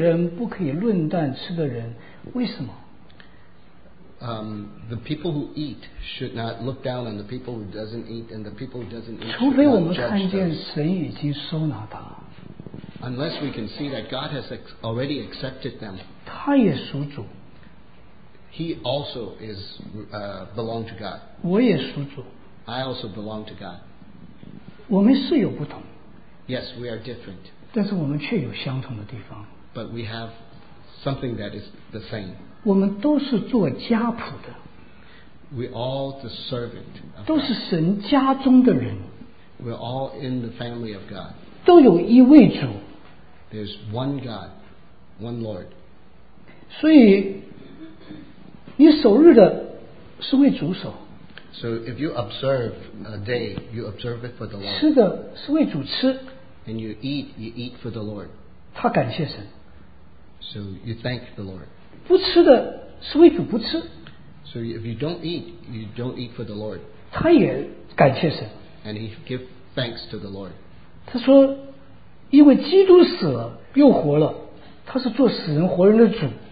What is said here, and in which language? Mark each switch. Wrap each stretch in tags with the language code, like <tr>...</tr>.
<zh>他说，你要知道，吃的人不可以轻看不吃的人，不吃的人不可以论断吃的人，为什么？</zh> <en>The people who eat should not look down on the people who doesn't eat, and the people who doesn't eat.</en> <zh>除非我们看见神已经收纳他。</zh> <en>Unless we can see that God has already accepted them.</en> <zh>他也属主。</zh> <en>He also is belong to God.</en> <zh>我也属主。</zh> <en>I also belong to God.</en> <zh>我们是有不同。</zh> <en>Yes, we are different.</en> <zh>但是我们却有相同的地方。</zh> <en>But we have something that is the same.</en> <zh>我们都是做家仆的。</zh> <en>We all the servant.</en> <zh>都是神家中的人。</zh> <en>We're all in the family of God.</en> <zh>都有一位主。</zh> <en>There's one God, one Lord.</en> <zh>所以，你守日的，是为主守。</zh> <en>So if you observe a day, you observe it for the Lord.</en> <zh>吃的是为主吃,</zh> <en>and you eat for the Lord.</en> <zh>他感谢神,</zh> <en>so you thank the Lord.</en> <zh>不吃的是为主不吃,</zh> <en>so if you don't eat, you don't eat for the Lord.</en> <zh>他也感谢神,</zh> <en>and he gives thanks to the Lord.</en> <zh>他说, 因为基督死了又活了, 他是做死人活人的主。</zh>